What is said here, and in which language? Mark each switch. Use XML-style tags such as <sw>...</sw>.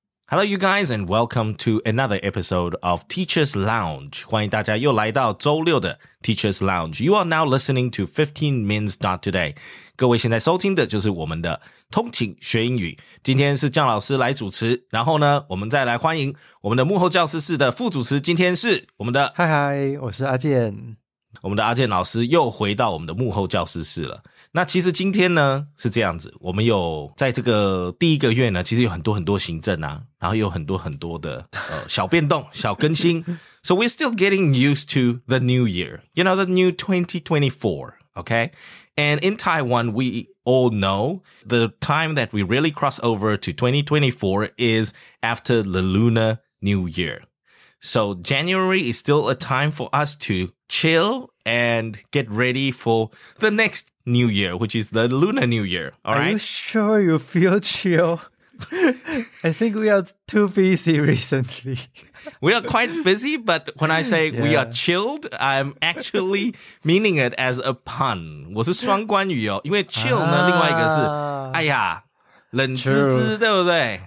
<en>Hello, you guys, and welcome to another episode of Teacher's Lounge.</en> <zh>欢迎大家又来到周六的</zh> <en>Teacher's Lounge. You are now listening to 15 Minutes Start Today.</en> <zh>各位现在收听的就是我们的通勤学英语。今天是姜老师来主持，然后呢，我们再来欢迎我们的幕后教师室的副主持。今天是我们的嗨嗨，我是阿健。我们的阿健老师又回到我们的幕后教师室了。那其实今天呢是这样子，我们有在这个第一个月呢，其实有很多很多行政啊，然后有很多很多的小变动小更新。</zh> <en>So we're still getting used to the new year, you know, the new 2024, okay? And in Taiwan, we all know the time that we really cross over to 2024 is after the Lunar New Year. So January is still a time for us to chill and get ready for the next New Year, which is the Lunar New Year, all right? Are you sure you feel chill? I think we are too busy recently. We are quite busy, but when I say we are chilled, I'm actually meaning it as a pun.</en> <zh>我是双关语哦，因为 chill 呢，另外一个是，哎呀，冷滋滋，对不对？</zh>